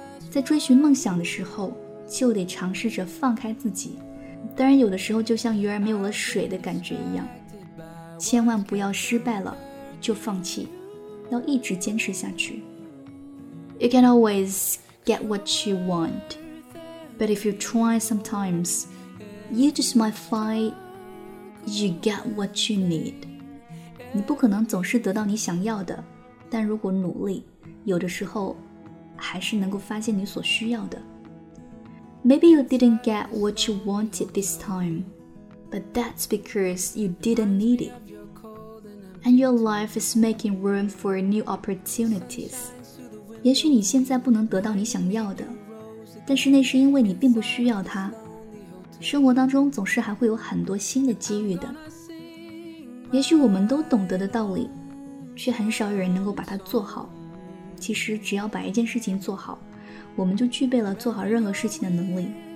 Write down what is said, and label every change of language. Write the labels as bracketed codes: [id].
[zh] 在追寻梦想的时候，就得尝试着放开自己。当然，有的时候就像鱼儿没有了水的感觉一样。千万不要失败了就放弃。要一直坚持下去。 [en] You can always get what you want, but if you try sometimes, you just might find you get what you need. [zh] 你不可能总是得到你想要的，但如果努力，有的时候还是能够发现你所需要的。 [en] Maybe you didn't get what you wanted this time, but that's because you didn't need it. And your life is making room for new opportunities. [zh] 也许你现在不能得到你想要的，但是那是因为你并不需要它。生活当中总是还会有很多新的机遇的。也许我们都懂得的道理，却很少有人能够把它做好。其实只要把一件事情做好，我们就具备了做好任何事情的能力。